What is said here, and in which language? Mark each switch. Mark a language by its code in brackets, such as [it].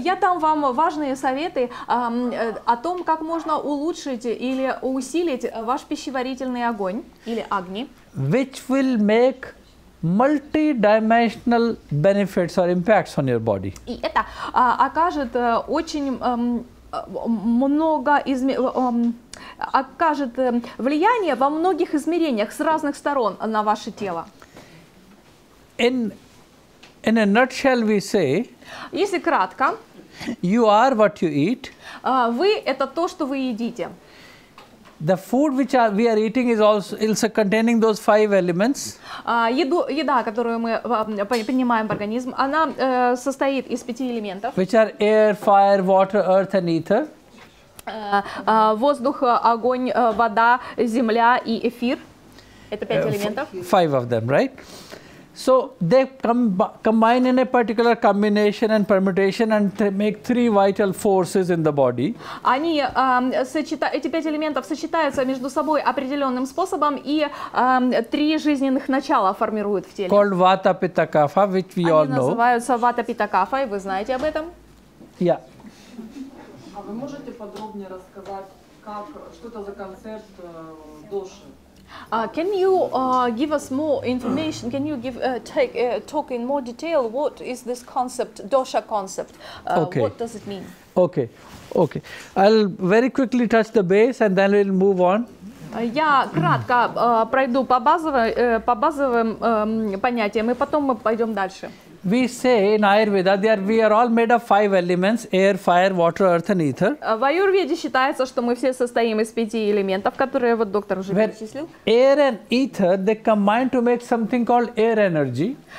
[ru] Я дам вам важные советы о том, как можно улучшить или усилить ваш пищеварительный огонь или агни. [en] Which will make multi-dimensional benefits or impacts on your body. [ru] И это окажет влияние во многих измерениях с разных сторон на ваше тело. [en] In a nutshell, we say. [ru] Если кратко. [en] You are what you eat. [ru] Вы это то, что вы едите. [en] The food which we are eating is also containing those five elements. [ru] Еда, которую мы принимаем в организм, она состоит из пяти элементов. [en] Which are air, fire, water, earth, and ether. [ru] Воздух, огонь, вода, земля и эфир. Это пять элементов. [en] Five of them, right? So they combine in a particular combination and permutation and they make three vital forces in the body. [ru] Они эти пять элементов сочетаются между собой определенным способом и три жизненных начала формируют в теле. [en] Called Vata Pitta Kapha, which we all know. [ru] Они называются Vata Pitta Kapha, и вы знаете об этом? [en] Yeah. [ru] А вы можете подробнее рассказать, как что это за концепт доши? [en] Can you give us more information? Can you talk in more detail? What is this concept, dosha concept? Okay. What does it mean? Okay. I'll very quickly touch the base and then we'll move on. [ru] Я кратко пройду по базовым понятиям, и потом мы пойдем дальше. [en] We say in Ayurveda that we are all made of five elements: air, fire, water, earth, and ether. [ru] В Аюрведе считается, что мы все состоим из пяти элементов, которые вот доктор уже перечислил. [en] Air and ether they combine to make something called air energy.